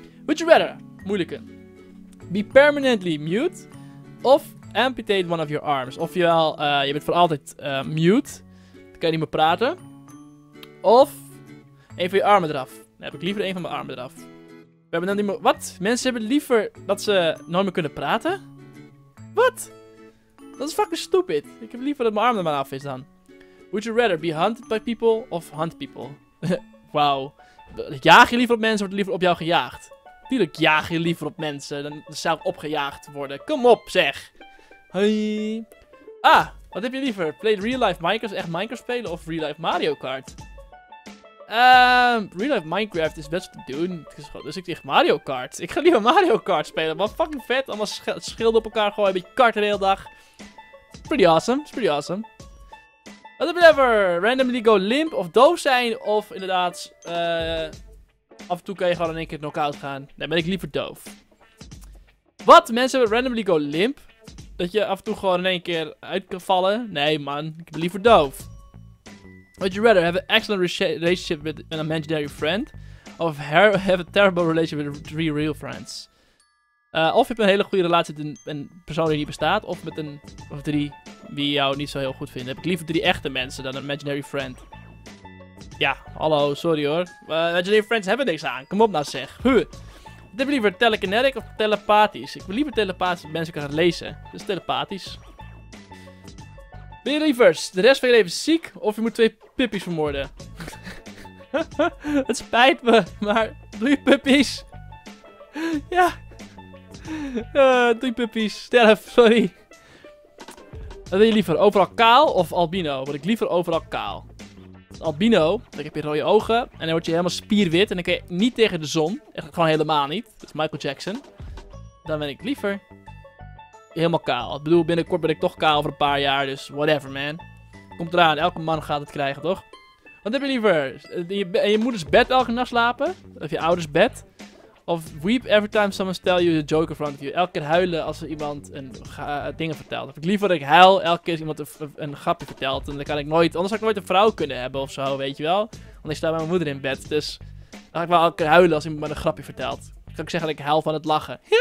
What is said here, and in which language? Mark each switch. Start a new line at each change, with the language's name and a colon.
English: Would you rather,
Dutch: moeilijke,
English: be permanently mute,
Dutch: of
English: amputate one of your arms,
Dutch: ofwel, je bent voor altijd mute. Kan je niet meer praten. Of een van je armen eraf. Dan heb ik liever een van mijn armen eraf. We hebben dan niet meer... Wat? Mensen hebben liever dat ze nooit meer kunnen praten? Wat? Dat is
English: fucking stupid.
Dutch: Ik heb liever dat mijn arm er maar af is dan.
English: Would you rather be hunted by people of hunt people?
Dutch: Wauw. Jaag je liever op mensen of wordt liever op jou gejaagd? Natuurlijk jaag je liever op mensen. Dan zou ik opgejaagd worden. Kom op, zeg. Hoi. Ah. Wat heb je liever?
English: Play real life Minecraft,
Dutch: echt Minecraft spelen of
English: real life Mario Kart?
Dutch: Real life Minecraft is best wat te doen. Dus ik zeg Mario Kart. Ik ga liever Mario Kart spelen. Wat fucking vet. Allemaal schilden op elkaar gooien. Een beetje karten de hele dag.
English: pretty awesome. It's pretty awesome.
Dutch: Whatever.
English: Randomly go limp
Dutch: of doof zijn. Of inderdaad... af en toe kan je gewoon in één keer knock-out gaan. Dan ben ik liever doof. Wat? Mensen
English: randomly go limp?
Dutch: Dat je af en toe gewoon in één keer uit kan vallen? Nee, man. Ik ben liever doof.
English: Would you rather have an excellent relationship with an imaginary friend? Of have a terrible relationship with three real friends?
Dutch: Of je hebt een hele goede relatie met een persoon die niet bestaat. Of met een of drie die jou niet zo heel goed vinden. Heb ik liever drie echte mensen dan een imaginary friend. Ja, hallo, sorry hoor. Imaginary friends hebben niks aan. Kom op nou zeg. Huh. Heb je liever telekinetic of telepathisch? Ik wil liever telepathisch dat mensen kan lezen. Dat is telepathisch. Ben je liever de rest van je leven ziek of je moet twee puppies vermoorden? Het spijt me, maar drie puppies. Ja. Drie puppies. Sterf, sorry. Wat wil je liever, overal kaal of albino? Word ik liever overal kaal. Albino, dan heb je rode ogen en dan word je helemaal spierwit en dan kan je niet tegen de zon. Echt gewoon helemaal niet. Dat is Michael Jackson. Dan ben ik liever helemaal kaal. Ik bedoel, binnenkort ben ik toch kaal voor een paar jaar, dus
English: whatever man.
Dutch: Komt eraan, elke man gaat het krijgen, toch? Wat heb je liever, in je moeders bed elke nacht slapen? Of je ouders bed?
English: Of weep every time someone tells you a joke in front of you.
Dutch: Elke keer huilen als er iemand dingen vertelt. Of ik liever dat ik huil elke keer als iemand een grapje vertelt. En dan kan ik nooit, anders zou ik nooit een vrouw kunnen hebben of zo, weet je wel. Want ik sta bij mijn moeder in bed. Dus dan ga ik wel elke keer huilen als iemand een grapje vertelt. Dan kan ik zeggen dat ik huil van het lachen.